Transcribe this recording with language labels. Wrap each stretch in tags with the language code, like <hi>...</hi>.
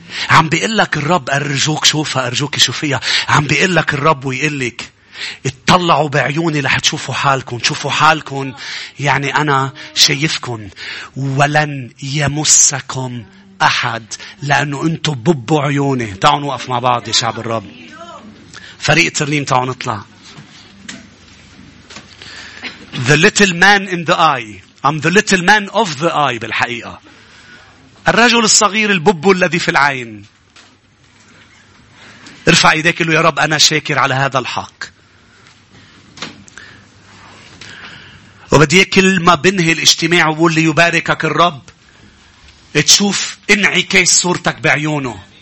<ar>عم بيقلك الرب أرجوك شوفها, أرجوك شوفيها. عم بيقلك الرب ويقلك اتطلعوا بعيوني لح تشوفوا حالكم. شوفوا حالكم يعني أنا شايفكم. ولن يمسكم أحد لأنه أنتوا ببوا عيوني. تعالوا نوقف مع بعض يا شعب الرب. فريق ترنيم تعالوا نطلع.</ar> <en>The little man in the eye. I'm the little man of the eye.</en> <ar>بالحقيقة الرجل الصغير الببو الذي في العين. ارفع ايديك له يا رب أنا شاكر على هذا الحق. وبدي كل ما بنهي الاجتماع وقول لي يباركك الرب, تشوف انعكاس صورتك بعيونه.</ar>